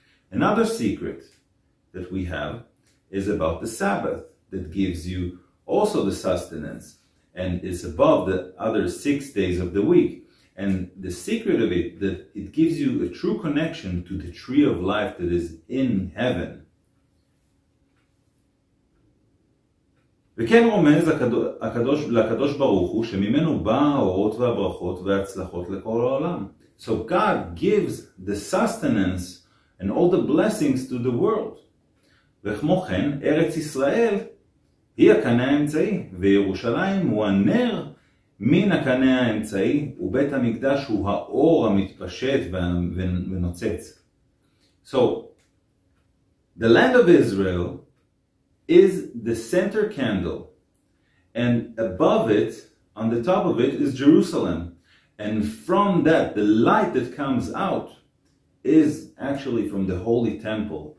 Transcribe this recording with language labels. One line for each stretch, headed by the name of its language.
English: Another secret that we have is about the Sabbath that gives you also the sustenance and is above the other 6 days of the week. And the secret of it, that it gives you a true connection to the tree of life that is in heaven.
Hebrew: וכן רומז לקדוש ברוך הוא שממנו באה האורות והברכות וההצלחות לכל העולם.
English: So God gives the sustenance and all the blessings to the world.
Hebrew: וכמו כן, ארץ ישראל היא הקנה האמצעי, וירושלים הוא הנר מן הקנה האמצעי, ובית המקדש הוא האור המתפשט ונוצץ.
English: So, the land of Israel is the center candle, and above it, on the top of it, is Jerusalem. And from that, the light that comes out is actually from the Holy Temple.